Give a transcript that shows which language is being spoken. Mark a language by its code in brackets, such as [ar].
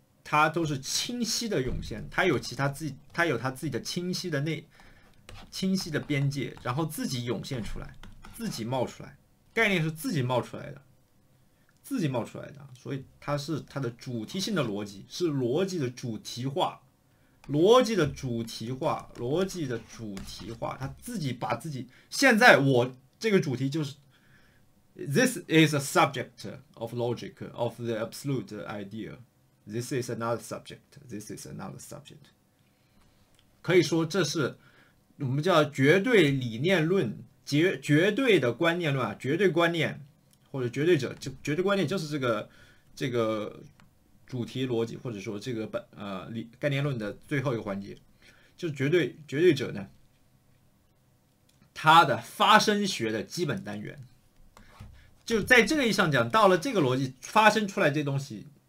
[zh] 它都是清晰的涌现，它有其他自己，它有它自己的清晰的清晰的边界，然后自己涌现出来，自己冒出来，概念是自己冒出来的，自己冒出来的，所以它是它的主题性的逻辑，是逻辑的主题化，逻辑的主题化，逻辑的主题化，它自己把自己，现在我这个主题就是， [en] This is a subject of logic of the absolute idea。 This is another subject. This is another subject. [zh] 可以说，这是我们叫绝对理念论、绝对的观念论啊，绝对观念或者绝对者，就绝对观念就是这个主题逻辑，或者说这个本理概念论的最后一个环节，就是绝对者呢，它的发生学的基本单元，就在这个意义上讲，到了这个逻辑发生出来这东西。